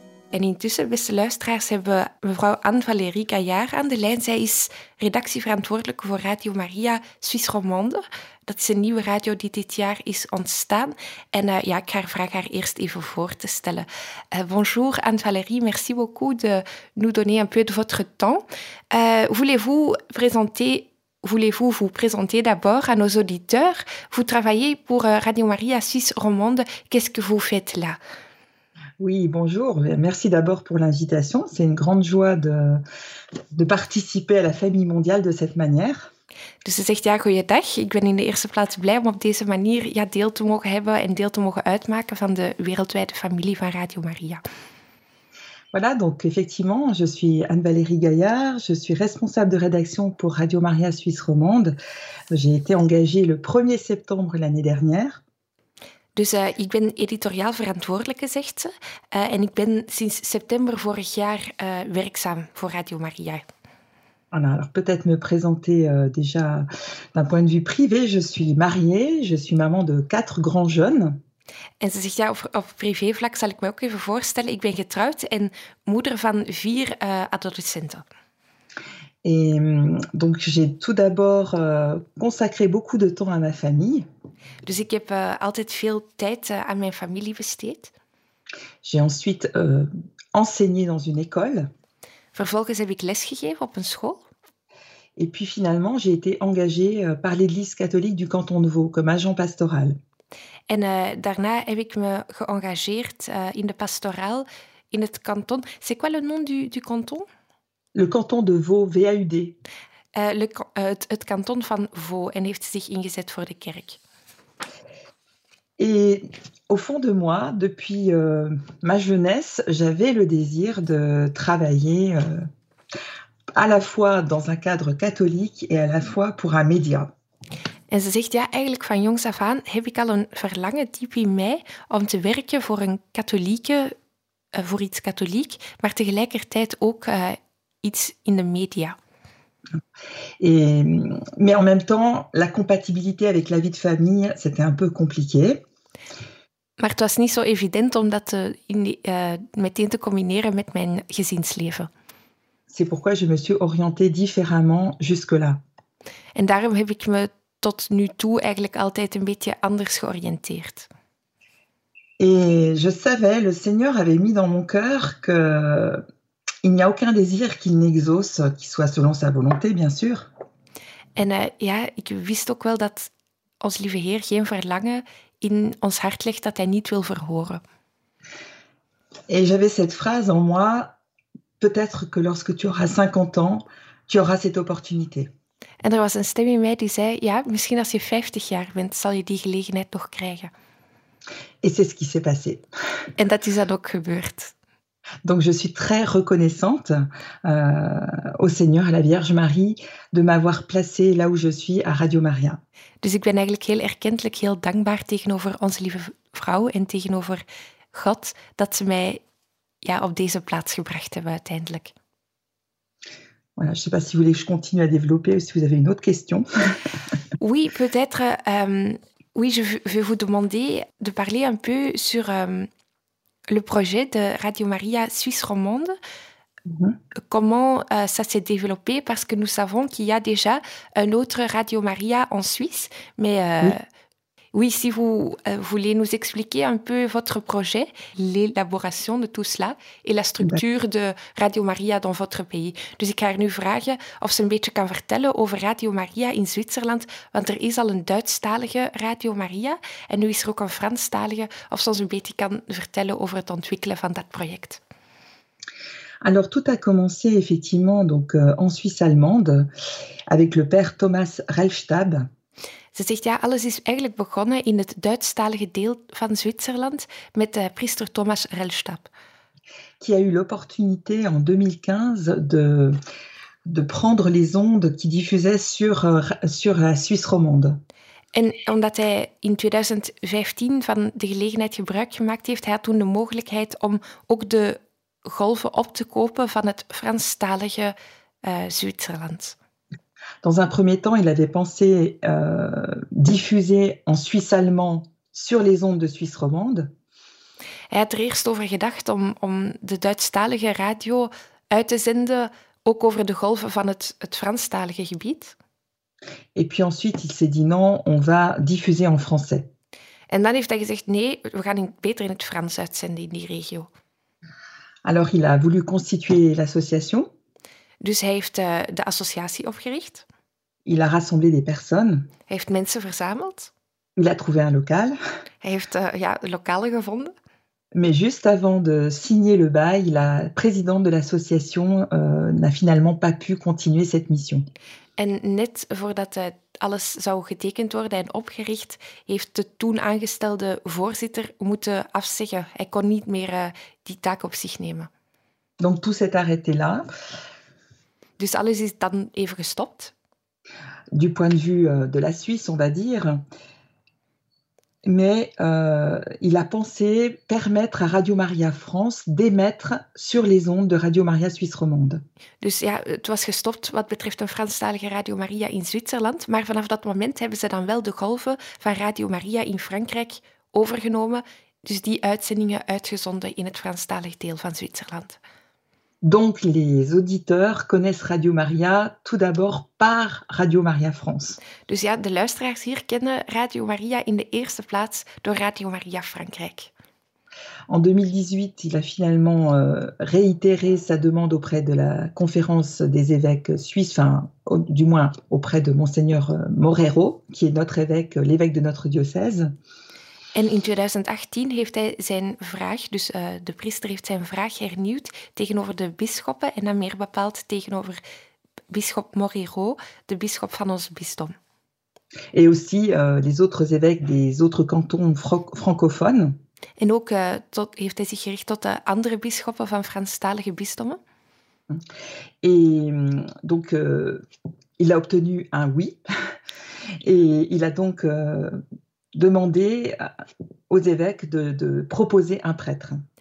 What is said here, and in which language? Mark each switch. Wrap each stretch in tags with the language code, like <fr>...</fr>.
<nl>En intussen, beste luisteraars, hebben we mevrouw Anne-Valérie Gaillard aan de lijn. Zij is redactieverantwoordelijke voor Radio Maria Suisse Romande. Dat is een nieuwe radio die dit jaar is ontstaan. En ik ga haar vragen haar eerst even voor te stellen.</nl> <fr>Bonjour Anne-Valérie, merci beaucoup de nous donner un peu de votre temps. Voulez-vous vous présenter d'abord à nos auditeurs? Vous travaillez pour Radio Maria Suisse Romande. Qu'est-ce que vous faites là? Oui, bonjour. Merci d'abord pour l'invitation. C'est une grande joie de participer à la famille mondiale de cette manière.</fr> <nl>Dus ze zegt ja, goeiedag. Ik ben in de eerste plaats blij om op deze manier ja, deel te mogen hebben en deel te mogen uitmaken van de wereldwijde familie van Radio Maria.</nl> <fr>Voilà, donc effectivement, je suis Anne-Valérie Gaillard, je suis responsable de rédaction pour Radio Maria Suisse Romande. J'ai été engagée le 1er septembre l'année dernière.</fr> <nl>Dus ik ben editoriaal verantwoordelijke, zegt ze. En ik ben sinds september vorig jaar werkzaam voor Radio Maria.</nl> <fr>Alors, peut-être me présenter déjà d'un point de vue privé. Je suis mariée, je suis maman de 4 grands jeunes.</fr> <nl>En ze zegt, ja, op privévlak zal ik me ook even voorstellen. Ik ben getrouwd en moeder van 4 adolescenten.</nl> <fr>Et donc j'ai tout d'abord consacré beaucoup de temps à ma famille.</fr> <nl>Dus ik heb altijd veel tijd aan mijn familie besteed.</nl> <fr>J'ai ensuite enseigné dans une école.</fr> <nl>Vervolgens heb ik lesgegeven op een school.</nl> <fr>Et puis finalement, j'ai été engagée par l'Église catholique du canton de Vaud comme agent pastoral.</fr> <nl>En daarna heb ik me geëngageerd in de pastoraal in het canton.</nl> <fr>C'est quoi le nom du canton? Le canton de Vaud, VAUD.</fr> <nl>Het canton van Vaud en heeft zich ingezet voor de kerk.</nl> <fr>Et au fond de moi, depuis ma jeunesse, j'avais le désir de travailler à la fois dans un cadre catholique et à la fois pour un média.</fr> <nl>En ze zegt, ja, eigenlijk van jongs af aan heb ik al een verlangen diep in mij om te werken voor een katholieke, voor iets katholiek, maar tegelijkertijd ook iets in de media.</nl> <fr>Et, mais en même temps, la compatibilité avec la vie de famille, c'était un peu compliqué.</fr> <nl>Maar het was niet zo evident om dat meteen te combineren met mijn gezinsleven.</nl> <fr>C'est pourquoi je me suis orientée différemment jusque-là.</fr> <nl>En daarom heb ik me tot nu toe eigenlijk altijd een beetje anders georiënteerd.</nl> <fr>Et je savais, le Seigneur avait mis dans mon cœur que il n'y a aucun désir qu'il n'exauce, qui soit selon sa volonté, bien sûr.</fr> <nl>En ja, ik wist ook wel dat ons lieve Heer geen verlangen in ons hart legt dat hij niet wil verhoren.</nl> <fr>Et j'avais cette phrase en moi, peut-être que lorsque tu auras 50 ans, tu auras cette opportunité.</fr> <nl>En er was een stem in mij die zei, ja, misschien als je 50 jaar bent, zal je die gelegenheid nog krijgen.</nl> <fr>Et c'est ce qui s'est passé.</fr> <nl>En dat is dan ook gebeurd.</nl> <fr>Donc je suis très reconnaissante au Seigneur, à la Vierge Marie, de m'avoir placée là où je suis, à Radio Maria.</fr> <nl>Dus ik ben eigenlijk heel erkentelijk, heel dankbaar tegenover onze lieve vrouw en tegenover God, dat ze mij ja, op deze plaats gebracht hebben uiteindelijk.</nl> <fr>Voilà, je ne sais pas si vous voulez que je continue à développer ou si vous avez une autre question. Oui, peut-être. Oui, je vais vous demander de parler un peu sur le projet de Radio Maria Suisse Romande. Mm-hmm. Comment ça s'est développé? Parce que nous savons qu'il y a déjà une autre Radio Maria en Suisse. Mais oui, si vous voulez nous expliquer un peu votre projet, l'élaboration de tout cela et la structure de Radio Maria dans votre pays.</fr> <nl>Dus ik ga haar nu vragen of ze een beetje kan vertellen over Radio Maria in Zwitserland, want er is al een Duitsstalige Radio Maria en nu is er ook een Franstalige, of ze ons een beetje kan vertellen over het ontwikkelen van dat project.</nl> <fr>Alors, tout a commencé effectivement donc, en Suisse allemande avec le père Thomas Reifstab.</fr> <nl>Ze zegt, ja, alles is eigenlijk begonnen in het Duitsstalige deel van Zwitserland met priester Thomas Reilstab.</nl> <fr>Qui a eu l'opportunité en 2015 de prendre les ondes qui diffusaient sur la Suisse romande.</fr> <nl>En omdat hij in 2015 van de gelegenheid gebruik gemaakt heeft, hij had toen de mogelijkheid om ook de golven op te kopen van het Franstalige Zwitserland.</nl> <fr>Dans un premier temps, il avait pensé diffuser en Suisse allemand sur les ondes de Suisse romande.</fr> <nl>Hij had er eerst over gedacht om de Duitsstalige radio uit te zenden, ook over de golven van het Franstalige gebied.</nl> <fr>Et puis ensuite, il s'est dit non, on va diffuser en français.</fr> <nl>En dan heeft hij gezegd, nee, we gaan beter in het Frans uitzenden in die regio.</nl> <fr>Alors il a voulu constituer l'association.</fr> <nl>Dus hij heeft de associatie opgericht.</nl> <fr>Il a rassemblé des personnes.</fr> <nl>Hij heeft mensen verzameld.</nl> <fr>Il a trouvé un local.</fr> <nl>Hij heeft lokalen gevonden.</nl> <fr>Mais juste avant de signer le bail, la présidente de l'association n'a finalement pas pu continuer cette mission.</fr> <nl>En net voordat alles zou getekend worden en opgericht, heeft de toen aangestelde voorzitter moeten afzeggen. Hij kon niet meer die taak op zich nemen.</nl> <fr>Donc tout s'est arrêté là.</fr> <nl>Dus alles is dan even gestopt.</nl> <fr>Du point de vue de la Suisse, on va dire. Mais il a pensé permettre à Radio Maria France d'émettre sur les ondes de Radio Maria Suisse Romande.</fr> <nl>Dus ja, het was gestopt wat betreft een Franstalige Radio Maria in Zwitserland. Maar vanaf dat moment hebben ze dan wel de golven van Radio Maria in Frankrijk overgenomen. Dus die uitzendingen uitgezonden in het Franstalig deel van Zwitserland.</nl> <fr>Donc les auditeurs connaissent Radio Maria tout d'abord par Radio Maria France.</fr> <nl>Dus ja, de luisteraars hier kennen Radio Maria in de eerste plaats door Radio Maria Frankrijk.</nl> <fr>En 2018, il a finalement réitéré sa demande auprès de la conférence des évêques suisses, enfin, du moins auprès de Monseigneur Morero, qui est notre évêque, l'évêque de notre diocèse.</fr> <nl>En in 2018 heeft hij zijn vraag, dus de priester heeft zijn vraag hernieuwd tegenover de bisschoppen en dan meer bepaald tegenover bisschop Moreau, de bisschop van ons bisdom.</nl> <fr>Et aussi les autres évêques des autres cantons francophones.</fr> <nl>En ook heeft hij zich gericht tot de andere bisschoppen van Franstalige bisdommen.</nl> <fr>Et donc il a obtenu un oui et il a donc demandé aux évêques de proposer un prêtre.</fr>